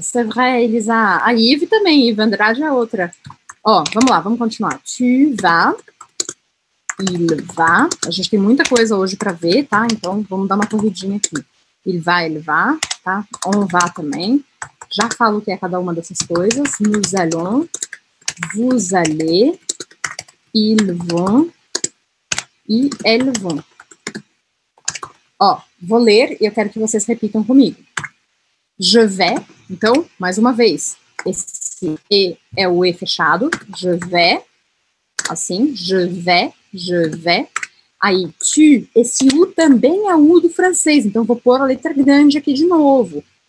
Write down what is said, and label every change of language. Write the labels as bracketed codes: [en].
[fr] C'est vrai, [pt] Elisa. A Yves também, Yves Andrade é outra. Ó, vamos lá, vamos continuar. [fr] Tu vas... Il va, [pt] a gente tem muita coisa hoje para ver, tá? Então vamos dar uma corridinha aqui. [fr] Il va, [pt] tá? [fr] On va [pt] também. Já falo o que é cada uma dessas coisas. [fr] Nous allons, vous allez, ils vont e elles vont. [pt] Ó, vou ler e eu quero que vocês repitam comigo. [fr] Je vais, [pt] então, mais uma vez. Esse E é o E fechado. [fr] Je vais, [pt] assim, [fr] je vais. Je vais. [pt] Aí, tu, esse U também é U do francês, então vou pôr a letra grande aqui de novo.